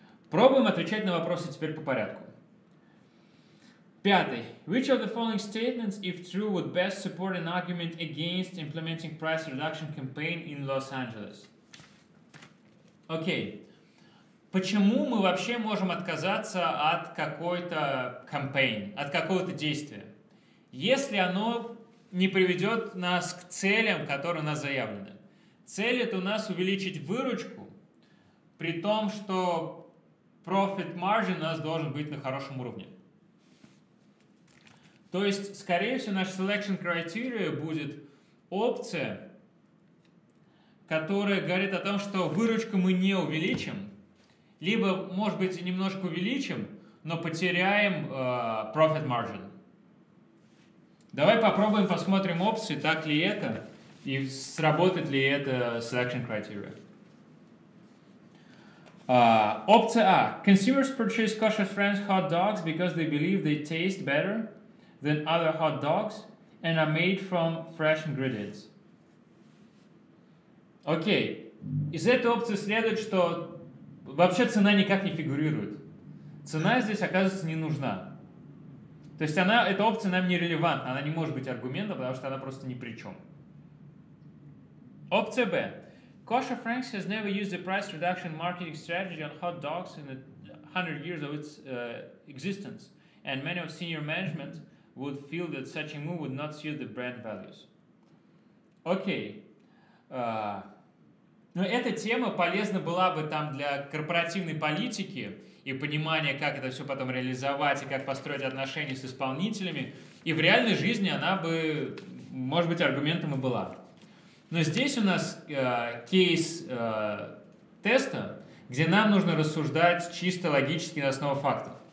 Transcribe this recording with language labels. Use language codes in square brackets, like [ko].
[ru] Пробуем отвечать на вопросы теперь по порядку. Пятый. [en] Which of the following statements, if true, would best support an argument against implementing price reduction campaign in Los Angeles? [ru] Окей. Почему мы вообще можем отказаться от какой-то campaign, от какого-то действия, если оно не приведет нас к целям, которые у нас заявлены? Цель — это у нас увеличить выручку, при том, что profit margin у нас должен быть на хорошем уровне. То есть, скорее всего, наш selection criteria будет опция, которая говорит о том, что выручку мы не увеличим, либо, может быть, и немножко увеличим, но потеряем profit margin. Давай попробуем, посмотрим опции, так ли это, и сработает ли это selection criteria. Опция А. [en] Consumers purchase kosher franchise hot dogs because they believe they taste better than other hot dogs and are made from fresh ingredients. [ru] Окей. Из этой опции следует, что вообще цена никак не фигурирует. Цена здесь, оказывается, не нужна. То есть она, эта опция нам нерелевантна, она не может быть аргументом, потому что она просто ни при чем. Опция Б. [en] Kosher Franks has never used a price reduction marketing strategy on hot dogs in the 100 years of its existence, and many of senior management would feel that such a move would not suit the brand values. [ru] Окей. Но эта тема полезна была бы там для корпоративной политики и понимания, как это все потом реализовать и как построить отношения с исполнителями. И в реальной жизни она бы, может быть, аргументом и была. Но здесь у нас кейс теста, где нам нужно рассуждать чисто логически на основе фактов.